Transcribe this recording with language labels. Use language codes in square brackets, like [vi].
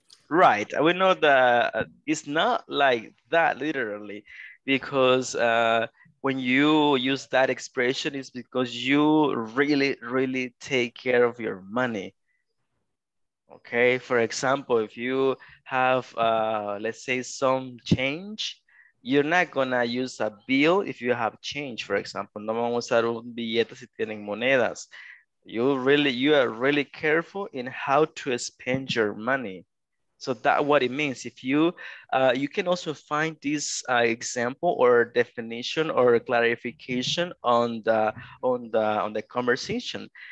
[en] right, we know that it's not like that literally, because when you use that expression, it's because you really, really take care of your money. Okay, for example, if you have, let's say, some change, you're not gonna use a bill if you have change, for example. [es] No vamos a usar un billete si tienen monedas. [en] You are really careful in how to spend your money. So that's what it means. If you, you can also find this example or definition or clarification on the conversation.